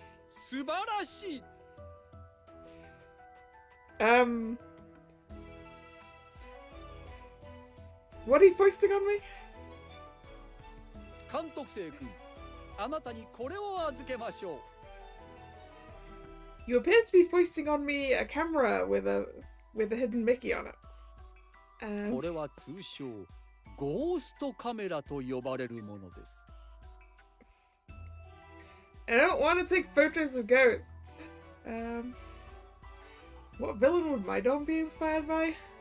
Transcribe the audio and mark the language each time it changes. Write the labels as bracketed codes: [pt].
[ja] 素晴らしい。 [en] What are you posting on me? [ja] 監督生君、あなたにこれを預けましょう。 [en] You appear to be foisting on me a camera with a hidden Mickey on it. [ja] これは通称ゴーストカメラと呼ばれるものです。 [en] I don't want to take photos of ghosts. What villain would my dorm be inspired by?